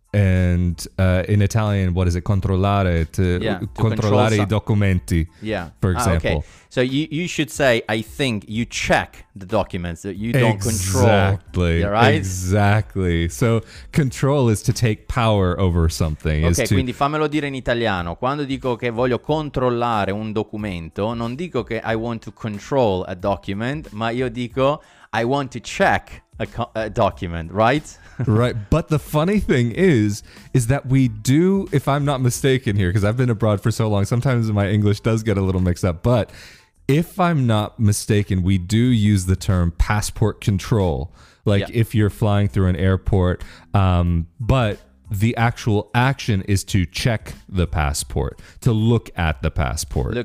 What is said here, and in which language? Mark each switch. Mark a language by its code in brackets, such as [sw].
[en] And in Italian, what is it? [it] Controllare, to controllare control i documenti. [en] Yeah. For example. Ah, okay. So you should say, I think you check the documents that you don't control. Exactly. Right? Exactly. So control is to take power over something. Okay, is to... [it] quindi fammelo dire in italiano. Quando dico che voglio controllare un documento, non dico che [en] I want to control a document, [it] ma io dico [en] I want to check a document, right? Right, but the funny thing is that we do, if I'm not mistaken here, because I've been abroad for so long, sometimes my English does get a little mixed up, but if I'm not mistaken, we do use the term passport control, like if you're flying through an airport, but the actual action is to check the passport, to look at the passport.